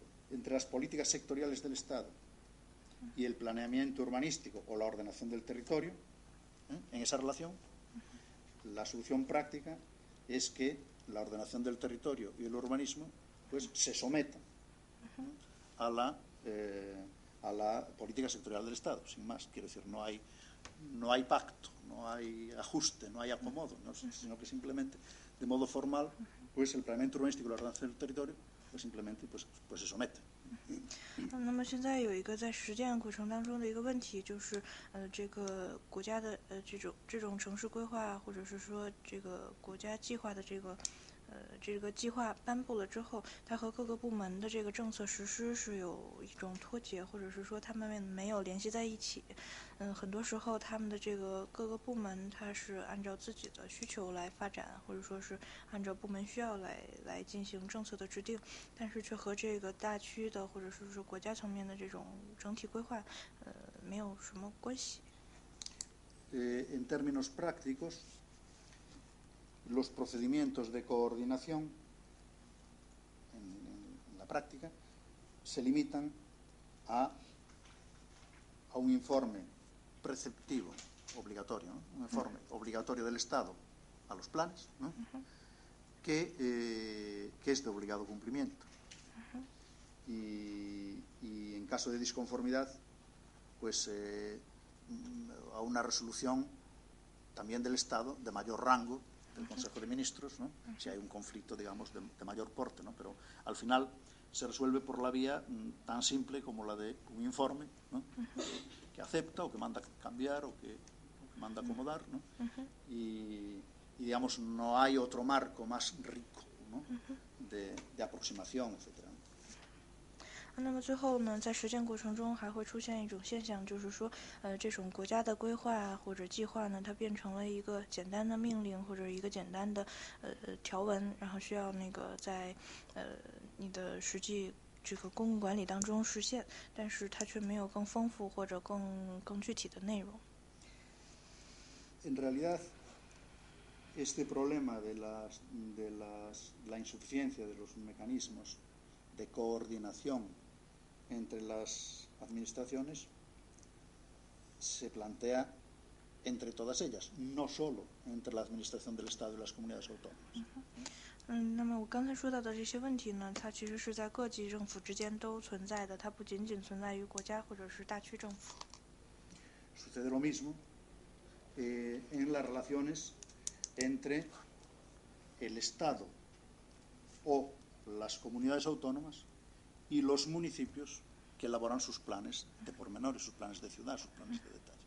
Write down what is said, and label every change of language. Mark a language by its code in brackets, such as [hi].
[es] Entre las políticas sectoriales del Estado y el planeamiento urbanístico o la ordenación del territorio, en esa relación, la solución práctica es que la ordenación del territorio y el urbanismo pues se someta, ¿no?, a la política sectorial del Estado, sin más. Quiero decir, no hay pacto, no hay ajuste, no hay acomodo, ¿no?, sino que simplemente, de modo formal, pues el planeamiento urbanístico y la ordenación del territorio pues simplemente pues se somete. [zh] 那么现在有一个在实践过程当中的一个问题，就是这个国家的这种城市规划，或者是说这个国家计划的这个计划颁布了之后，它和各个部门的这个政策实施是有一种脱节，或者是说他们没有联系在一起。很多时候他们的这个各个部门，它是按照自己的需求来发展，或者说是按照部门需要来进行政策的制定，但是却和这个大区的或者是说国家层面的这种整体规划，没有什么关系。 [es] En términos prácticos,los procedimientos de coordinación en la práctica se limitan a un informe preceptivo obligatorio, ¿no?, un informe obligatorio del Estado a los planes, ¿no?, que es de obligado cumplimiento. Y en caso de disconformidad, pues a una resolución también del Estado de mayor rango,el Consejo de Ministros, ¿no?, si hay un conflicto, digamos, de mayor porte, ¿no?, pero al final se resuelve por la vía tan simple como la de un informe, ¿no?, que acepta o que manda cambiar o que manda acomodar, ¿no?, y digamos, no hay otro marco más rico, ¿no?, de aproximación, etc. [zh] 那么最后呢，在实践过程中还会出现一种现象，就是说这种国家的规划或者计划呢，它变成了一个简单的命令或者一个简单的条文，然后需要那个在你的实际这个公共管理当中实现，但是它却没有更丰富或者更具体的内容。 [es] En realidad, este problema de la insuficiencia de los mecanismos de coordinación entre las administraciones se plantea entre todas ellas, no solo entre la administración del Estado y las comunidades autónomas. [zh] 那么我刚才说到的这些问题呢，它其实是在各级政府之间都存在的，它不仅仅存在于国家或者是大区政府。 [es] Sucede lo mismo en las relaciones entre el Estado o las comunidades autónomas y los municipios que elaboran sus planes de pormenores, sus planes de ciudad, sus planes de detalle.